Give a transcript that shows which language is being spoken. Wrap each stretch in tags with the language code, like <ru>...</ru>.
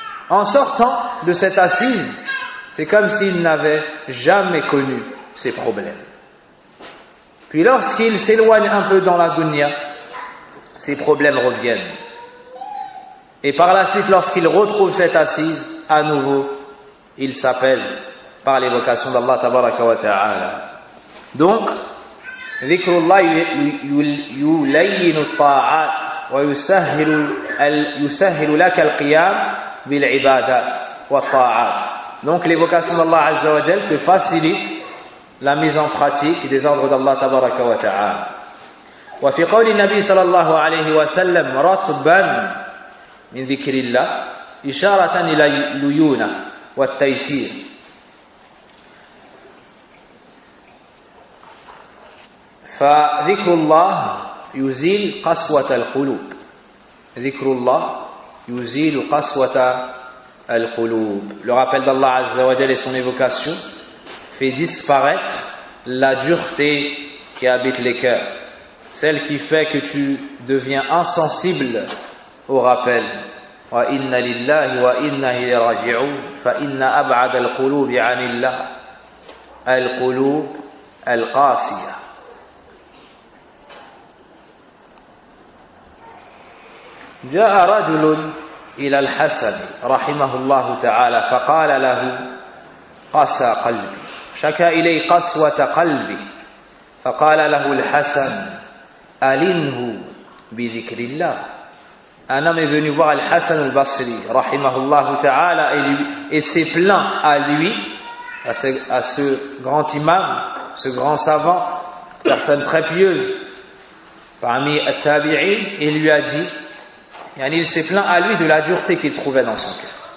<fr>En sortant de cette assise, c'est comme s'il n'avait jamais connu ses problèmes. Puis lorsqu'il s'éloigne un peu dans la dunya, ses problèmes reviennent. Et par la suite, lorsqu'il retrouve cette assise, à nouveau, il s'appelle par l'évocation d'Allah tabaraka wa ta'ala.</fr> <ar>Donc, ذِكْرُ اللَّهِ يُسَهِّلُ لَكَ الْقِيَامِ بِالْعِبَادَةِ وَالطَّاعَةِ.</ar> <fr>Donc l'évocation d'Allah Azza wa Jal te facilite la mise en pratique des ordres d'Allah Tabaraka wa Ta'ala.</fr> <ar>وَفِي قَوْلِ النَّبِي صلى الله عليه وسلم رَتْبًا مِنْ ذِكْرِ اللَّهِ إِشَارَةً إِلَى الْيُونَةِ وَالْتَيْسِيرِ. فذكر الله يزيل قسوة القلوب. ذكر الله يزيل قسوة القلوب.</ar> <fr>Le rappel d'Allah Azza wa Jal et son évocation fait disparaître la dureté qui habite les cœurs, celle qui fait que tu deviens insensible au rappel.</fr> <ar>Wa inna lillahi wa inna ilayhi raji'un fa inna ab'ada al-qulub 'anillah al-qulub al-qasiya. جاء رجل إلى الحسن رحمه الله تعالى فقال له قسى قلبي شكى إلي قسوة قلبي فقال له الحسن ألنه بذكر الله.</ar> <fr>Un homme est venu voir Al-Hassan al-Basri</fr> <ar>رحمه الله تعالى</ar> <fr>et s'est plaint à lui, à ce grand imam, ce grand savant, personne très pieuse parmi التابعين, et lui a dit, il s'est plaint à lui de la dureté qu'il trouvait dans son cœur.</fr>